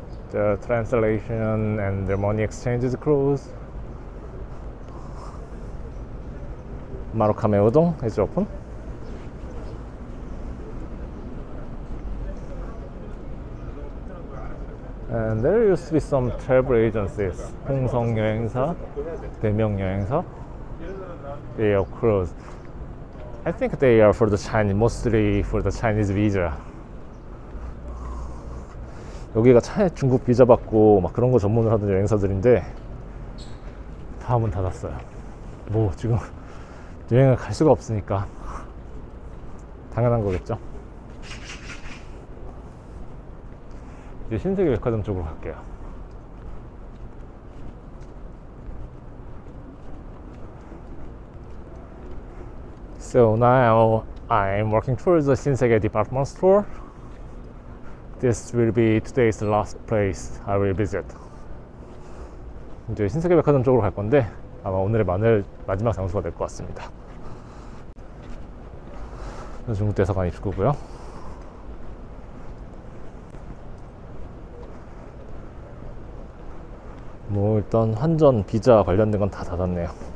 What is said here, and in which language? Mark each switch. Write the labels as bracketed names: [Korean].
[English] The translation and the money exchange is closed. Marukame Udon is open. And there used to be some travel agencies. [Korean] 홍성 여행사, 대명 여행사. [English] They are closed. I think they are for the Chinese, mostly for the Chinese visa. [Korean] 여기가 중국 비자 받고 막 그런 거 전문을 하던 여행사들인데 다 문 닫았어요. 뭐 지금 여행을 갈 수가 없으니까 당연한 거겠죠. 이제 신세계 백화점 쪽으로 갈게요. 그래서 지금 [English] I'm working towards the 신세계 department store. This will be today's last place I will visit. [Korean] 이제 신세계 백화점 쪽으로 갈 건데 아마 오늘의 마지막 장소가 될 것 같습니다. 중국 대사관 입구고요. 뭐 일단 환전 비자 관련된 건 다 닫았네요.